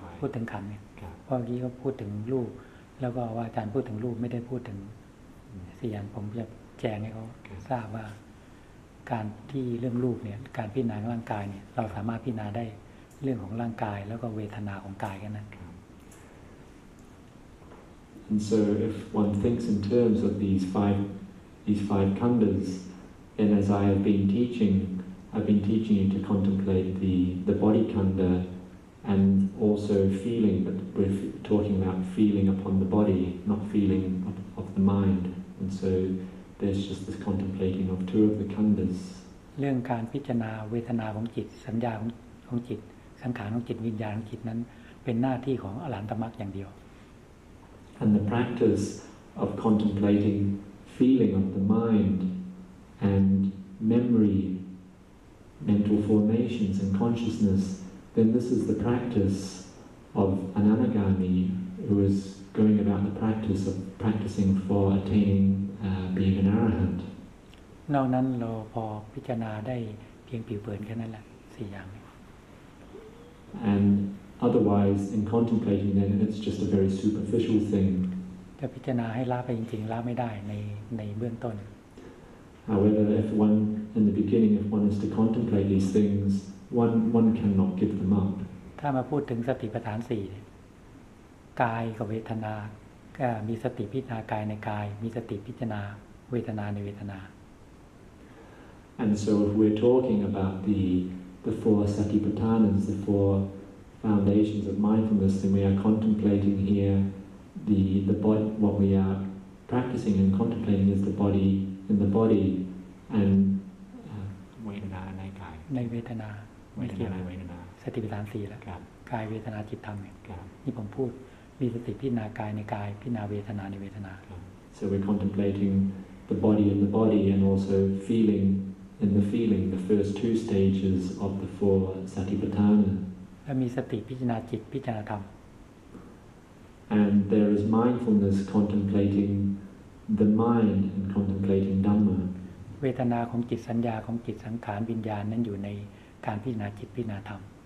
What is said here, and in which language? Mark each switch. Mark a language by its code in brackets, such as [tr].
[th] พูดถึงขันธ์เนี่ยเพราะเมื่อกี้ก็พูดถึงรูปแล้วก็ว่าอาจารย์พูดถึงรูปไม่ได้พูดถึงสี่อย่างผมจะแจงให้เขาทราบว่าการที่เรื่องรูปเนี่ยการพิจารณาร่างกายเนี่ยเราสามารถพิจารณาได้เรื่องของร่างกายแล้วก็เวทนาของกายกันนะ [en] And so if one thinks in terms of these five khandhas and as I have been teaching I've been teaching you to contemplate the body khandha and also feeling but we're talking about feeling upon the body not feeling of the mind and so there's just this contemplating of two of the khandhas [th] เรื่องการพิจารณาเวทนาของจิตสัญญาของจิตสังขารของจิตวิญญาณจิตนั้นเป็นหน้าที่ของอรหันตมรรคอย่างเดียว [en] And the practice of contemplating feeling of the mind and memory mental formations and consciousness then this is the practice of Anagami who is going about the practice of practicing for attaining being an arahant [th] นอกนั้นเราพอพิจารณาได้เพียงผิวเผินแค่นั้นแหละ4อย่าง [en] And otherwise, in contemplating them, it's just a very superficial thing. [th] จะพิจารณาให้ละไปจริงๆละไม่ได้ในเบื้องต้น [en] However, if one in the beginning, if one is to contemplate these things, one cannot give them up. [th] ถ้ามาพูดถึงสติปัฏฐาน4กายกับเวทนาก็มีสติพิจารณากายในกายมีสติพิจารณาเวทนาในเวทนา [en] And so if we're talking about the four satipatthanas, the four foundations of mindfulness, then we are contemplating here the body, what we are practicing and contemplating is the body, in the body, and vedana in the body. [th] ในเวทนา เวทนาในเวทนา สติปัฏฐานสี่แล้วกายเวทนาจิตธรรมนี่ผมพูดมีสติพิจารณากายในกายพิจารณาเวทนาในเวทนา [en] So we're contemplating the body in the body and also feeling. In the feeling, the first two stages of the four satipatthana. [th] และมีสติพิจารณาจิตพิจารณาธรรม [en] And there is mindfulness contemplating the mind and contemplating dhamma. [th] เวทนาของจิตสัญญาของจิตสังขารวิญญาณนั้นอยู่ในการพิจารณาจิตพิจารณาธรรม